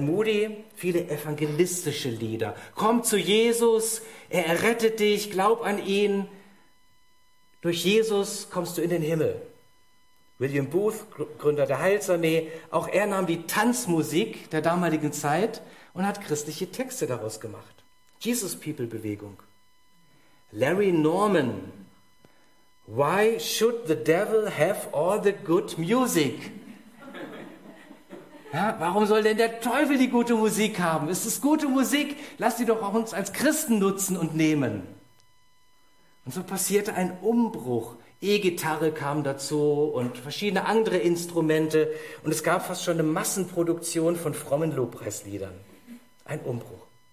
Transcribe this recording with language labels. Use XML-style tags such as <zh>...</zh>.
<de>Moody, viele evangelistische Lieder. Komm zu Jesus, er errettet dich, glaub an ihn. Durch Jesus kommst du in den Himmel. William Booth, Gründer der Heilsarmee, auch er nahm die Tanzmusik der damaligen Zeit und hat christliche Texte daraus gemacht. Jesus People Bewegung. Larry Norman.</de> <en>Why should the devil have all the good music?</en> <de>Ja, warum soll denn der Teufel die gute Musik haben? Es ist gute Musik, lass sie doch auch uns als Christen nutzen und nehmen. Und so passierte ein Umbruch. E-Gitarre kam dazu und verschiedene andere Instrumente. Und es gab fast schon eine Massenproduktion von frommen Lobpreisliedern. Ein Umbruch.</de>